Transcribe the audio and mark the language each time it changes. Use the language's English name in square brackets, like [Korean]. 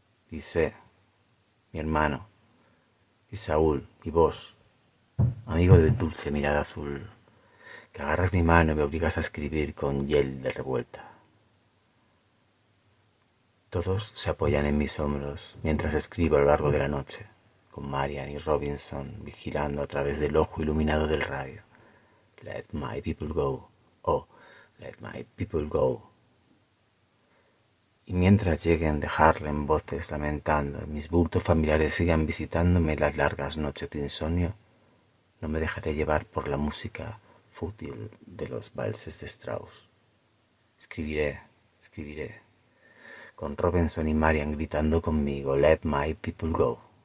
[Spanish] Dice, mi hermano, y Saúl, y vos, amigo de dulce mirada azul, que agarras mi mano y me obligas a escribir con hiel de revuelta. Todos se apoyan en mis hombros mientras escribo a lo largo de la noche, con Marian y Robinson vigilando a través del ojo iluminado del radio. [English] Let my people go, let my people go. [Spanish] Y mientras lleguen de Harlem voces lamentando, mis bultos familiares sigan visitándome las largas noches de insomnio, no me dejaré llevar por la música fútil de los valses de Strauss. Escribiré, escribiré, con Robinson y Marian gritando conmigo, [English] let my people go.